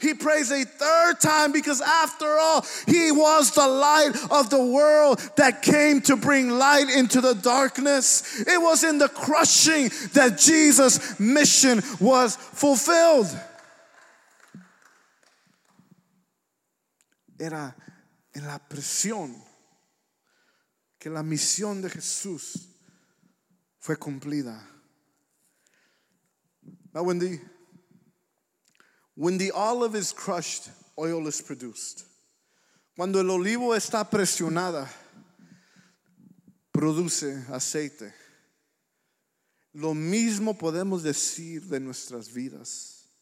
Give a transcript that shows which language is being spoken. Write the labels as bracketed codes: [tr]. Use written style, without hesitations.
[en] He prays a third time because, after all, he was the light of the world that came to bring light into the darkness. It was in the crushing that Jesus' mission was fulfilled. [es] Era en la presión que la misión de Jesús fue cumplida. [en] Now when the olive is crushed, oil is produced. [es] Cuando el olivo está presionada, produce aceite. Lo mismo podemos decir de nuestras vidas.